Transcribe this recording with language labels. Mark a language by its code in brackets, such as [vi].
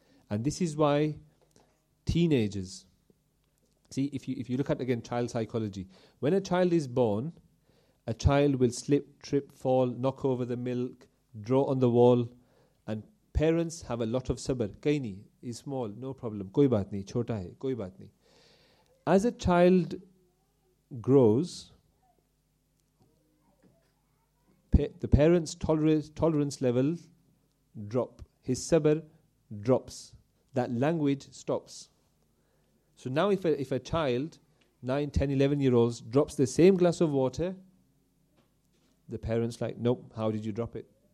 [en] And this is why teenagers, see, if you look at, again, child psychology, when a child is born, a child will slip, trip, fall, knock over the milk, draw on the wall, and parents have a lot of sabr. [ur] Kenny, [en] he's small, no problem, [ur] کوئی بات نہیں، چھوٹا ہے، کوئی بات نہیں۔ [en] As a child grows, the parent's tolerance level drop. His sabr drops. That language stops. So now if a child, 9, 10, 11-year-olds, drops the same glass of water, the parent's like, nope, how did you drop it?